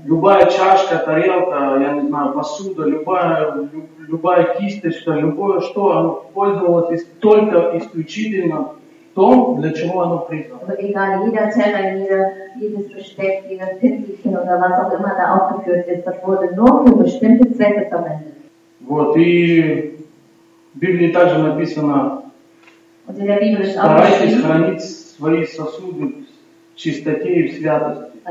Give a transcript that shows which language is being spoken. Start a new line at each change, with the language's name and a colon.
Russian: Любая чашка, тарелка, я не знаю, посуда, любая кисточка, любое что, оно пользовалось только исключительно том, для чего оно призвано.
German: Egal, jeder Teller, jedes Besteck, jedes Pinselchen oder was auch immer da aufgeführt ist, das wurde nur für bestimmte Zwecke verwendet.
Russian: Вот, и в Библии также написано, старайтесь хранить свои сосуды в чистоте и в святости.